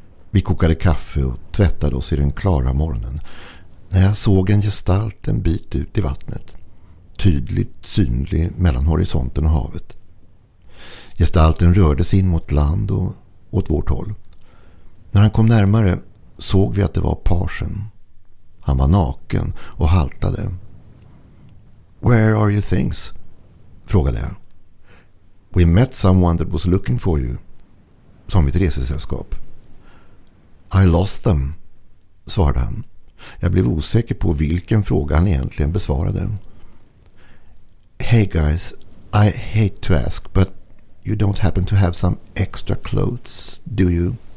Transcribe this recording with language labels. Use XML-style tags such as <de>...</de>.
<sv>Vi kokade kaffe och tvättade oss i den klara morgonen när jag såg en gestalt en bit ut i vattnet, tydligt synlig mellan horisonten och havet. Gestalten rörde sig in mot land och åt vårt håll. När han kom närmare såg vi att det var Parsen. Han var naken och haltade.</sv> <en>"Where are your things?"</en> <sv>frågade jag.</sv> <en>"We met someone that was looking for you,"</en> <sv>sa mitt resesällskap.</sv> <en>"I lost them,"</en> <sv>svarade han. Jag blev osäker på vilken fråga han egentligen besvarade.</sv> <en>"Hey guys, I hate to ask, but you don't happen to have some extra clothes, do you?"</en>